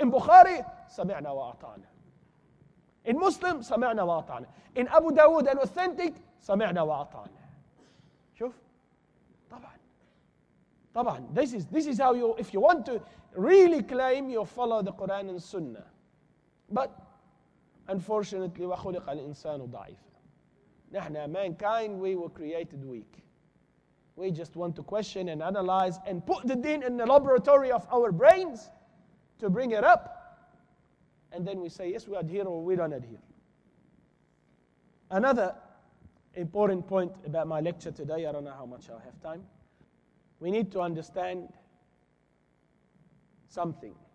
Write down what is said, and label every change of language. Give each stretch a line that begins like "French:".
English: In Bukhari, sami'na wa ata'na. In Muslim, sami'na wa ata'na. In Abu Dawood, an authentic, sami'na wa ata'na.
Arabic: Shuf? Taban.
English: This is how you, if you want to really claim, you follow the Quran and Sunnah. But unfortunately,
Arabic: وَخُلِقَ الْإِنسَانُ ضَعِيفًا. نَحْنَا
English: mankind, we were created weak. We just want to question and analyze and put the deen in the laboratory of our brains to bring it up. And then we say, yes, we adhere or we don't adhere. Another important point about my lecture today, I don't know how much I'll have time. We need to understand something.